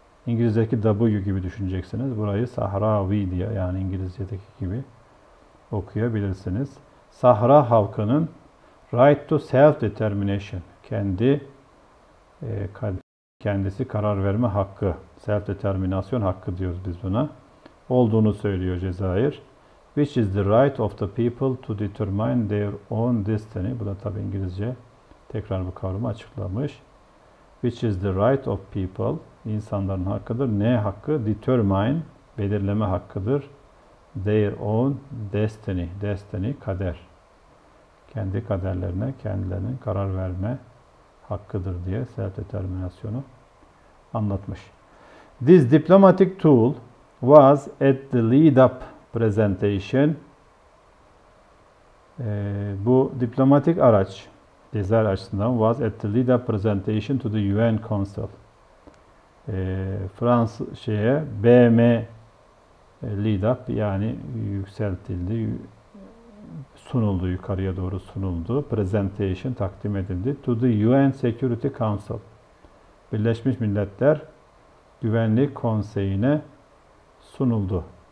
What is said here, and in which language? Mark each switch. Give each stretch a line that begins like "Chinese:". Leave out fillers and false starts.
Turkish: İngilizce'deki W gibi düşüneceksiniz. Burayı Sahrawi diye yani İngilizce'deki gibi okuyabilirsiniz. Sahra halkının right to self-determination, kendisi karar verme hakkı, self-determinasyon hakkı diyoruz biz buna, olduğunu söylüyor Cezayir.
English: Which is the right of the people to determine their own destiny.
Turkish: Bu da tabi İngilizce. Tekrar bu kavramı açıklamış.
English: Which is the right of people, insanların hakkıdır. Ne hakkı? Determine, belirleme hakkıdır. Their own destiny, destiny, kader.
Turkish: Kendi kaderlerine, kendilerinin karar verme hakkıdır diye self-determinasyonu anlatmış.
English: This diplomatic tool was at the lead-up presentation. Bu diplomatik araç, Cezayir açısından was at the lead up presentation to the UN Council.
Turkish: Fransız şeye BM lead up yani yükseltildi, sunuldu, yukarıya doğru sunuldu.
English: Presentation takdim edildi to the UN Security Council.
Turkish: Birleşmiş Milletler Güvenlik Konseyi'ne sunuldu.